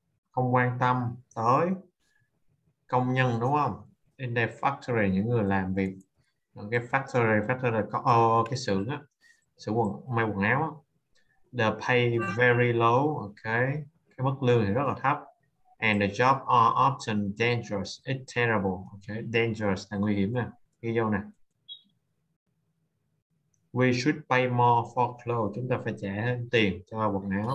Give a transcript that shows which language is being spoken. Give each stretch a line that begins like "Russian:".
Vietnamese: Không quan tâm tới công nhân đúng không?
English: In the factory,
Vietnamese: những người làm việc ở cái factory có cái xưởng á, xưởng quần may quần áo á.
English: The pay very low,
Vietnamese: okay, cái mức lương thì rất là thấp.
English: And the job are often dangerous, it's terrible, okay, dangerous
Vietnamese: là nguy hiểm nè. Ghi vô nè.
English: We should pay more for clothes,
Vietnamese: chúng ta phải trả hơn tiền cho quần áo.